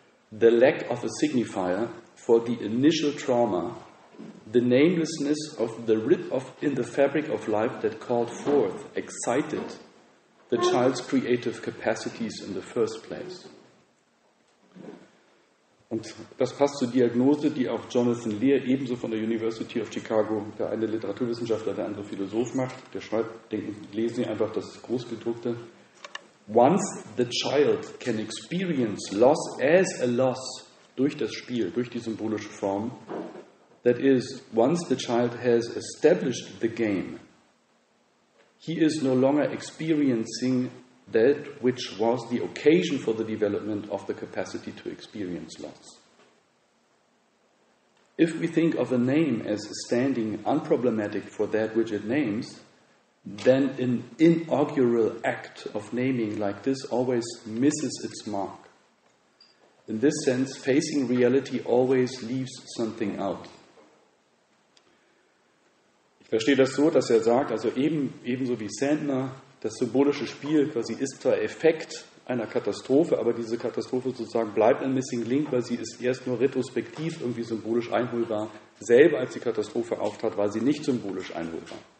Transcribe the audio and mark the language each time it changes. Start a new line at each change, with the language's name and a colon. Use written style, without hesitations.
English: the lack of a signifier for the initial trauma, the namelessness of the rip of in the fabric of life that called forth, excited, the child's creative capacities in the first place.
German: Und das passt zur Diagnose, die auch Jonathan Lear ebenso von der University of Chicago, der eine Literaturwissenschaftler, der andere Philosoph, macht. Der schreibt, denken, lesen Sie einfach das Großgedruckte.
English: Once the child can experience loss as a loss
German: durch das Spiel, durch die symbolische Form,
English: that is, once the child has established the game, he is no longer experiencing that which was the occasion for the development of the capacity to experience loss. If we think of a name as standing unproblematic for that which it names, then an inaugural act of naming like this always misses its mark. In this sense, facing reality always leaves something out.
German: Ich verstehe das so, dass er sagt, also ebenso wie Sandner, das symbolische Spiel quasi ist zwar Effekt einer Katastrophe, aber diese Katastrophe sozusagen bleibt ein Missing Link, weil sie ist erst nur retrospektiv irgendwie symbolisch einholbar, selber als die Katastrophe auftrat, war sie nicht symbolisch einholbar.